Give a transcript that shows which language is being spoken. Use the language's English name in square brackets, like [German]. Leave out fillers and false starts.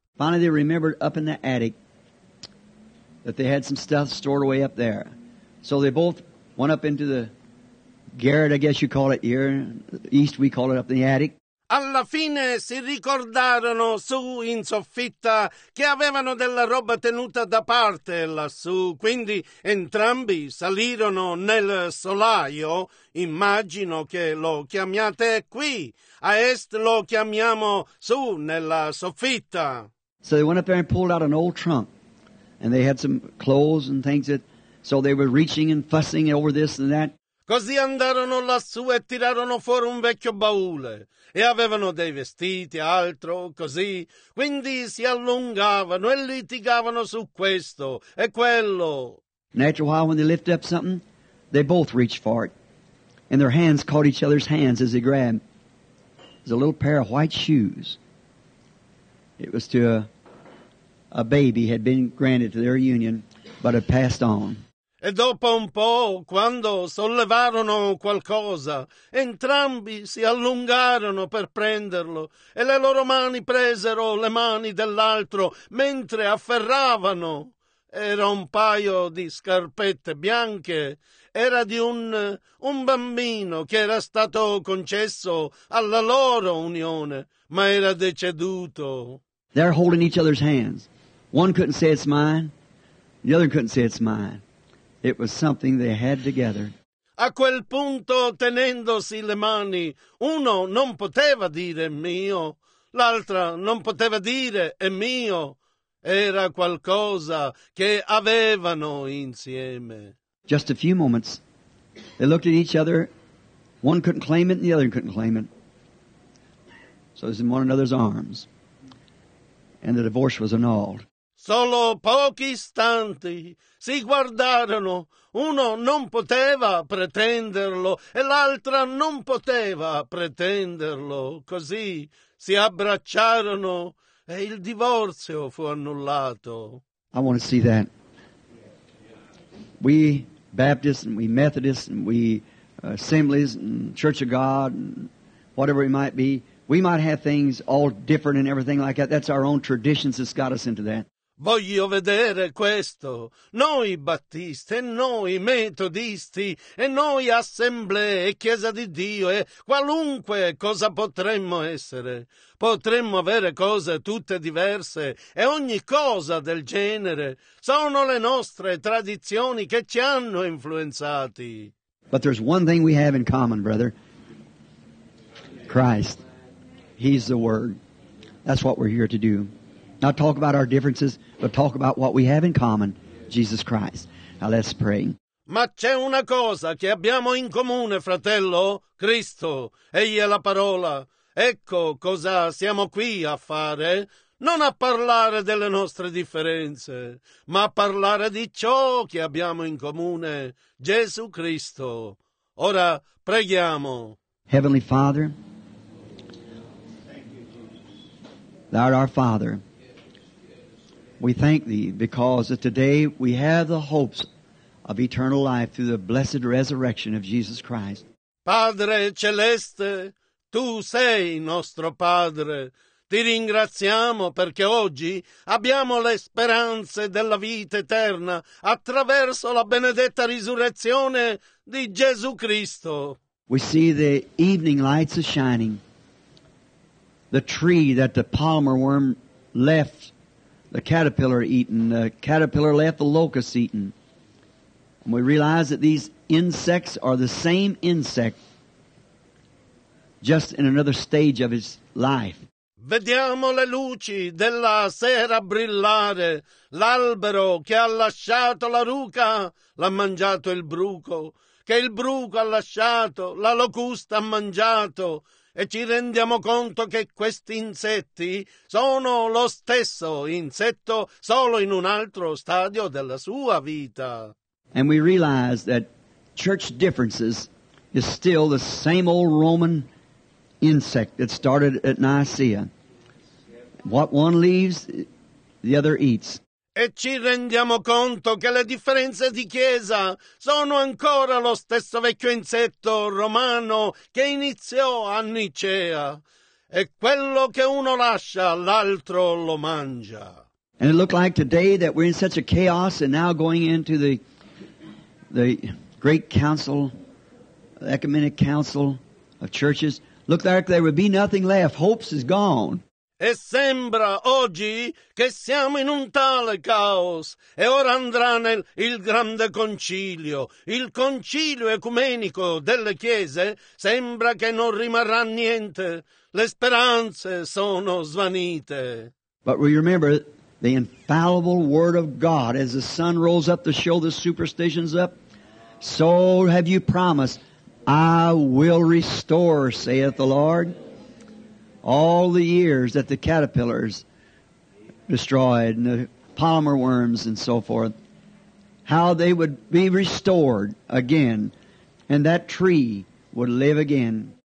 [English] Finally they remembered up in the attic that they had some stuff stored away up there. So they both went up into the garret, I guess you call it here. East, we call it up in the attic. [Italian] Alla fine si ricordarono su in soffitta che avevano della roba tenuta da parte lassù. Quindi entrambi salirono nel solaio. Immagino che lo chiamiate qui. A est lo chiamiamo su nella soffitta. [English] So they went up there and pulled out an old trunk. And they had some clothes and things that. So they were reaching and fussing over this and that. [Italian] Così andarono lassù e tirarono fuori un vecchio baule e avevano dei vestiti, altro, così. Quindi si allungavano e litigavano su questo e quello. [English] After a while, when they lifted up something, they both reached for it. And their hands caught each other's hands as they grabbed. It was a little pair of white shoes. It was to a baby had been granted to their union, but had passed on. [Italian] E dopo un po', quando sollevarono qualcosa, entrambi si allungarono per prenderlo e le loro mani presero le mani dell'altro mentre afferravano. Era un paio di scarpette bianche. Era di un bambino che era stato concesso alla loro unione, ma era deceduto. [English] They're holding each other's hands. One couldn't say it's mine, the other couldn't say it's mine. It was something they had together. [Italian] A quel punto, tenendosi le mani, uno non poteva dire mio, l'altra non poteva dire è mio. Era qualcosa che avevano insieme. [English] Just a few moments, they looked at each other. One couldn't claim it, and the other couldn't claim it. So it was in one another's arms, and the divorce was annulled. [Italian] Solo pochi istanti si guardarono, uno non poteva pretenderlo e l'altra non poteva pretenderlo, così si abbracciarono e il divorzio fu annullato. [English] I want to see that. We Baptists and we Methodists and we Assemblies and Church of God and whatever it might be, we might have things all different and everything like that. That's our own traditions that's got us into that. [Italian] Voglio vedere questo. Noi Battisti, noi Metodisti, e noi Assemblee, Chiesa di Dio, e qualunque cosa potremmo essere. Potremmo avere cose tutte diverse, e ogni cosa del genere. Sono le nostre tradizioni che ci hanno influenzati. [English] But there's one thing we have in common, brother. Christ. He's the Word. That's what we're here to do. Not talk about our differences, but talk about what we have in common, Jesus Christ. Now let's pray. [Italian] Ma c'è una cosa che abbiamo in comune, fratello, Cristo. Egli è la parola. Ecco cosa siamo qui a fare. Non a parlare delle nostre differenze, ma a parlare di ciò che abbiamo in comune, Gesù Cristo. Ora preghiamo. [English] Heavenly Father, Thou art our Father. We thank Thee because that today we have the hopes of eternal life through the blessed resurrection of Jesus Christ. [Italian] Padre Celeste, Tu sei nostro Padre. Ti ringraziamo perché oggi abbiamo le speranze della vita eterna attraverso la benedetta risurrezione di Gesù Cristo. [English] We see the evening lights are shining. The tree that the palmer worm left, the caterpillar eaten, the caterpillar left, the locust eaten. And we realize that these insects are the same insect, just in another stage of its life. [Italian] Vediamo le luci della sera brillare, l'albero che ha lasciato la ruca, l'ha mangiato il bruco, che il bruco ha lasciato, la locusta ha mangiato, e ci rendiamo conto che questi insetti sono lo stesso insetto, solo in un altro stadio della sua vita. [English] And we realize that church differences is still the same old Roman insect that started at Nicaea. What one leaves, the other eats. [Italian] E ci rendiamo conto che le differenze di chiesa sono ancora lo stesso vecchio insetto romano che iniziò a Nicea. E quello che uno lascia, l'altro lo mangia. [English] And it looked like today that we're in such a chaos and now going into the great council, the ecumenic council of churches. Looked like there would be nothing left. Hopes is gone. [Italian] E sembra oggi che siamo in un tale caos, e ora andrà nel il grande concilio, il concilio ecumenico delle chiese, sembra che non rimarrà niente, le speranze sono svanite. [English] But we remember the infallible word of God, as the sun rolls up to show the superstitions up, so have you promised, I will restore, saith the Lord. All the years that the caterpillars destroyed and the palmer worms and so forth, how they would be restored again and that tree would live again.